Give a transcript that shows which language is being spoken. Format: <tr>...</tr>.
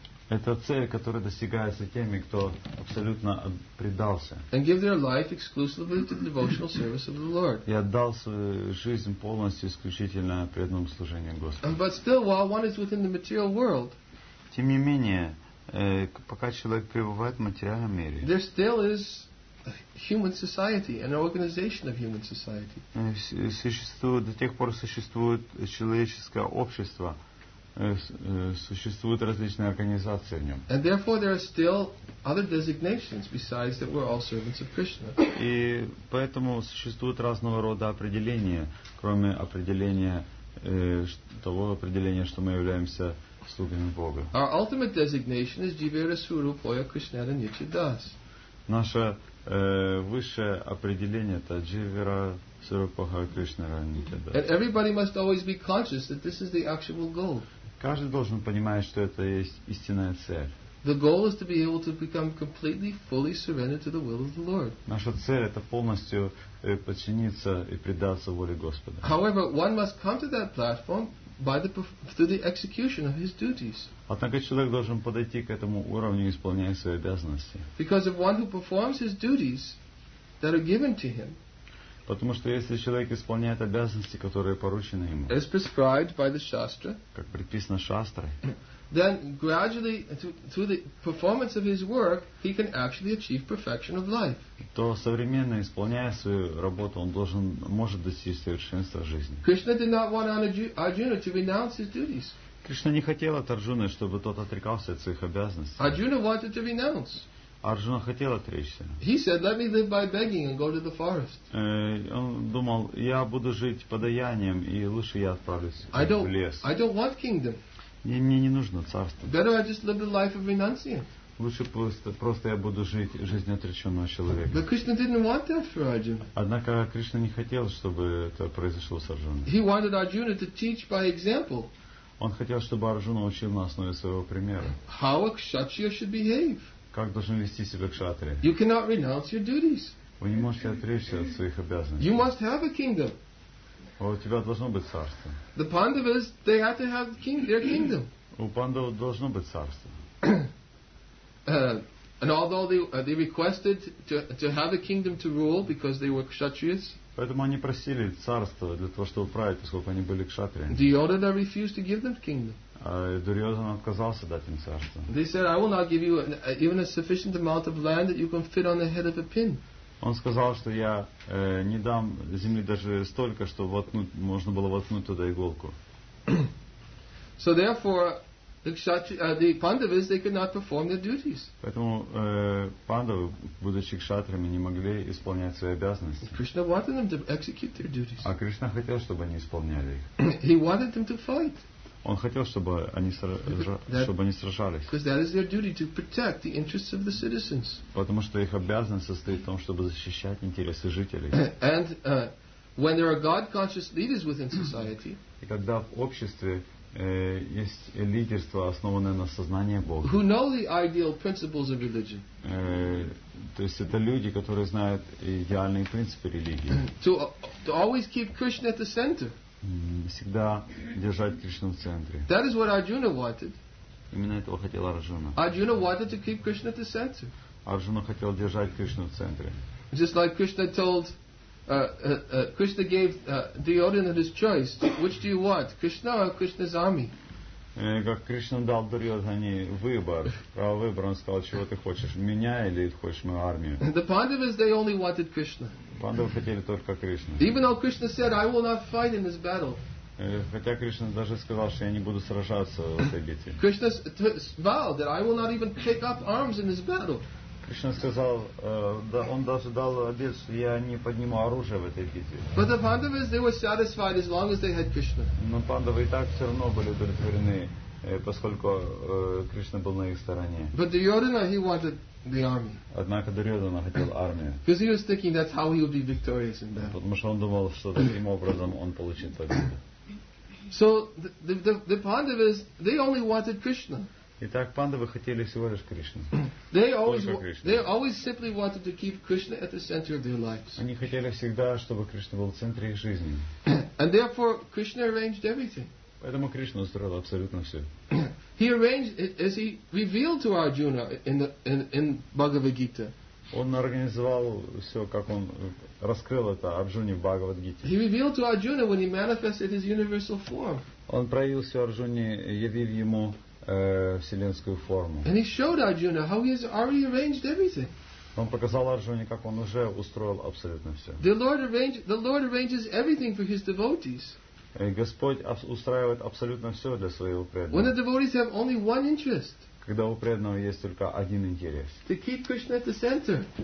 <ru>Это цель, которая достигается теми, кто абсолютно предался.</ru> <en>And give their life exclusively to the devotional service of the Lord.</en> <ru>И отдал свою жизнь полностью исключительно преданному служению Господу.</ru> <en>But still, while one is within the material world.</en> <ru>Тем не менее, пока человек пребывает в материальном мире.</ru> <en>There still is human society, an organization of human society.</en> <ru>До тех пор существует человеческое общество, существуют различные организации в нем.</ru> <en>And therefore there are still other designations besides that we're all servants of Krishna.</en> <ru>И поэтому существуют разного рода определения, кроме определения того определения, что мы являемся слугами Бога.</ru> <en>Our ultimate designation is</en> <bn>Jivera Surupoya Krishna Nityadas.</bn> <ru>Наше высшее определение это</ru> <bn>Дживера Сурупаха Кришна Нитида.</bn> <en>And everybody must always be conscious that this is the actual goal.</en> <ru>Каждый должен понимать, что это есть истинная цель.</ru> <en>The goal is to be able to become completely, fully surrendered to the will of the Lord.</en> <ru>Наша цель это полностью подчиниться и предаться воле Господа.</ru> <en>However, one must come to that platform by the through the execution of his duties.</en> <ru>Однако человек должен подойти к этому уровню, исполняя свои обязанности.</ru> <en>Because if one who performs his duties that are given to him.</en> <ru>Потому что если человек исполняет обязанности, которые поручены ему.</ru> <en>As prescribed by the Shastra.</en> <ru>Как предписано Шастрой.</ru> <en>Then gradually, through the performance of his work, he can actually achieve perfection of life.</en> <ru>То современно исполняя свою работу, он должен может достичь совершенства жизни.</ru> <en>Krishna did not want Arjuna to renounce his duties.</en> <ru>Кришна не хотел от Арджуны, чтобы тот отрекался от своих обязанностей.</ru> <en>Arjuna wanted to renounce.</en> <ru>Арджуна хотел отречься.</ru> <en>He said, "Let me live by begging and go to the forest."</en> <ru>Он думал, я буду жить подаянием и лучше я отправлюсь в лес.</ru> <en>I don't want kingdom.</en> <ru>Мне не нужно царство.</ru> <en>Better I just live the life of renunciant.</en> <ru>Лучше просто я буду жить жизнь отреченного человека.</ru> <en>But Krishna didn't want that for Arjuna.</en> <ru>Однако Кришна не хотел, чтобы это произошло с Арджуной.</ru> <en>He wanted Arjuna to teach by example.</en> <ru>Он хотел, чтобы Арджуна учил на основе своего примера.</ru> <en>How a kshatriya should behave.</en> <ru>Как должен вести себя кшатрия?</ru> <en>You cannot renounce your duties.</en> <ru>Вы не можете отречься от своих обязанностей.</ru> <en>You must have a kingdom.</en> <ru>А у тебя должно быть царство.</ru> <en>The Pandavas, they had to have their kingdom.</en> <ru>У Пандав должно быть царство.</ru> <en>And although they requested to have a kingdom to rule because they were kshatriyas.</en> <ru>Поэтому они просили царство для того, чтобы править, поскольку они были кшатриями.</ru> <en>Duryodhana refused to give them kingdom.</en> <ru>Дурьозан отказался дать им царство.</ru> <en>They said, "I will not give you even a sufficient amount of land that you can fit on the head of a pin."</en> <ru>Он сказал, что я не дам земли даже столько, что можно было воткнуть туда иголку.</ru> <en>So therefore, the Pandavas they could not perform their duties.</en> <ru>Поэтому Пандавы, будучи кшатриями, не могли исполнять свои обязанности.</ru> <en>Krishna wanted them to execute their duties.</en> <ru>А Кришна хотел, чтобы они исполняли их.</ru> <en>He wanted them to fight.</en> <ru>Он хотел, чтобы они сражались.</ru> <en>Because that is their duty to protect the interests of the citizens.</en> <ru>Потому что их обязанность состоит в том, чтобы защищать интересы жителей.</ru> <en>And when there are God-conscious leaders within society.</en> <ru>И когда в обществе есть лидерство, основанное на сознании Бога.</ru> <en>Who know the ideal principles of religion?</en> <ru>То есть это люди, которые знают идеальные принципы религии.</ru> <en>To always keep Krishna at the center.</en> <ru>Всегда держать Кришну в центре.</ru> <en>That is what Arjuna wanted.</en> <ru>Именно этого хотел Арджуна.</ru> <en>Arjuna wanted to keep Krishna at the center.</en> <ru>Арджуна хотел держать Кришну в центре.</ru> <en>Just like Krishna told, Krishna gave Duryodhana his choice. Which do you want, Krishna or Krishna's army?</en> <ru>Как Кришна дал Дурьодхане выбор, а выбор он сказал, чего ты хочешь, меня или хочешь мою армию?</ru> <en>The Pandavas they only wanted Krishna.</en> <ru>Пандавы хотели только Кришну.</ru> <en>Even though Krishna said, "I will not fight in this battle."</en> <ru>Хотя Кришна даже сказал, что я не буду сражаться в этой битве.</ru> <en>Krishna vowed that I will not even pick up arms in this battle.</en> <ru>Кришна сказал, да, он даже дал обет, что я не подниму оружие в этой битве.</ru> <en>But the Pandavas they were satisfied as long as they had Krishna.</en> <ru>Но Пандавы и так все равно были удовлетворены, поскольку Кришна был на их стороне.</ru> <en>But Duryodhana he wanted. The army.</en> <ru>Однако Дурьодхана хотел армию.</ru> <en>Because he was thinking that's how he would be victorious in battle.</en> <ru>Потому что он думал, что таким образом он получит победу.</ru> <en>So the Pandavas they only wanted Krishna.</en> <ru>Итак, Пандавы хотели всего лишь Кришну.</ru> <en>They always simply wanted to keep Krishna at the center of their lives.</en> <ru>Они хотели всегда, чтобы Кришна был в центре их жизни.</ru> <en>And therefore Krishna arranged everything.</en> <ru>Поэтому Кришна устроил абсолютно все.</ru> <en>He arranged, as he revealed to Arjuna in Bhagavad Gita.</en> <ru>Он организовал все, как он раскрыл это Арджуне в Бхагавад Гите.</ru> <en>He revealed to Arjuna when he manifested his universal form.</en> <ru>Он проявил все Арджуне, явив ему вселенскую форму.</ru> <en>And he showed Arjuna how he has already arranged everything.</en> <ru>Он показал Арджуне, как он уже устроил абсолютно все.</ru> <en>The Lord arranges everything for his devotees.</en> <ru>Господь устраивает абсолютно все для своего преданного.</ru> <en>When the devotees have only one interest.</en> <ru>Когда у преданного есть только один интерес.</ru> <en>To keep Krishna at the center.</en>